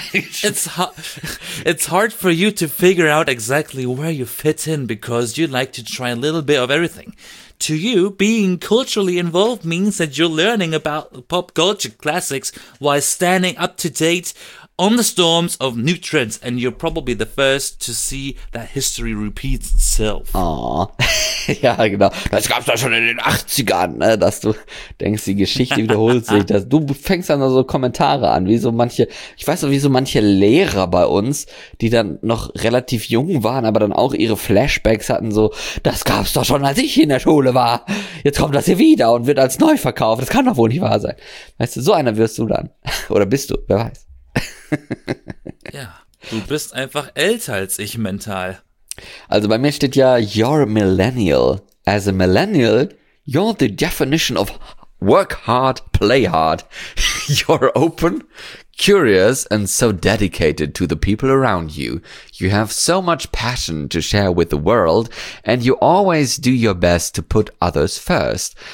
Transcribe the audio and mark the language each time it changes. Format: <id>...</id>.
<en>It's hard for you to figure out exactly where you fit in because you like to try a little bit of everything. To you, being culturally involved means that you're learning about pop culture classics while standing up to date on the storms of new trends, and you're probably the first to see that history repeats itself.</en> <de>Oh. Ja, genau. Das gab's doch schon in den 80ern, ne? Dass du denkst, die Geschichte wiederholt sich. Dass du fängst dann so Kommentare an, wie so manche, ich weiß noch, wie so manche Lehrer bei uns, die dann noch relativ jung waren, aber dann auch ihre Flashbacks hatten, so, das gab's doch schon, als ich in der Schule war. Jetzt kommt das hier wieder und wird als neu verkauft. Das kann doch wohl nicht wahr sein. Weißt du, so einer wirst du dann. Oder bist du, wer weiß. Ja, du bist einfach älter als ich mental. Also bei mir steht ja,</de> <en>you're a millennial. As a millennial, you're the definition of work hard, play hard. You're open, curious and so dedicated to the people around you. You have so much passion to share with the world and you always do your best to put others first.</en>